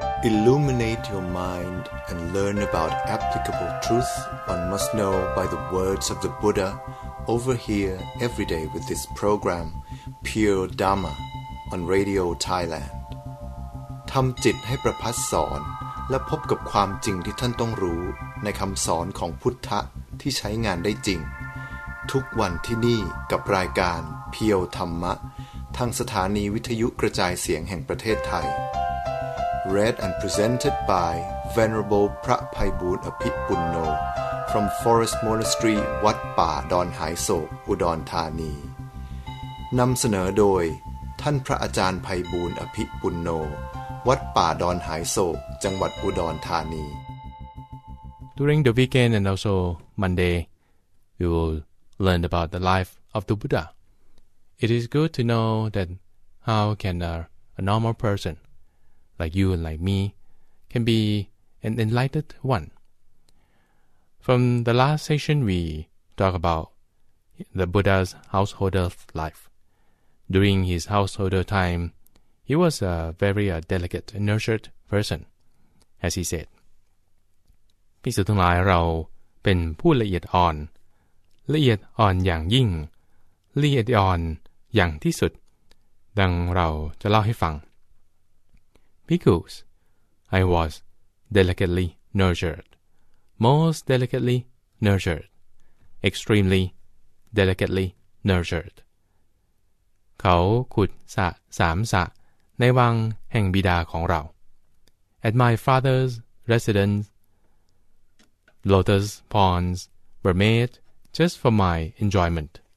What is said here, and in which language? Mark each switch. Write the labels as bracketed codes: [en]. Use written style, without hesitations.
[en] Illuminate your mind and learn about applicable truth one must know by the words of the Buddha over here every day with this program, Pure Dharma, on Radio Thailand. [th] ทำจิตให้ประพัสสอนและพบกับความจริงที่ท่านต้องรู้ในคำสอนของพุทธะที่ใช้งานได้จริงทุกวันที่นี่กับรายการเพียวธรรมะทางสถานีวิทยุกระจายเสียงแห่งประเทศไทย [en] Read and presented by Venerable พระไพบูลย์อภิปุณโญ from Forest Monastery [th] วัดป่าดอนหายโศกอุดรธานีนำเสนอโดยท่านพระอาจารย์ไพบูลย์อภิปุณโญวัดป่าดอนหายโศกจังหวัดอุดรธานี [en] During the weekend and also Monday, we will learn about the life of the Buddha. It is good to know that how can a normal person, like you and like me, can be an enlightened one. From the last session, we talk about the Buddha's householder life. During his householder time,He was a very delicate, nurtured person, as he said. [th] ภิกษุทั้งหลายเราเป็นผู้ละเอียดอ่อนละเอียดอ่อนอย่างยิ่งละเอียดอ่อนอย่างที่สุดดังเราจะเล่าให้ฟัง [en] Because I was delicately nurtured, most delicately nurtured, extremely delicately nurtured. [th] เขาขุดสระสามสระในวังแห่งบิดาของเรา [en] At my father's residence, lotus ponds were made just for my enjoyment.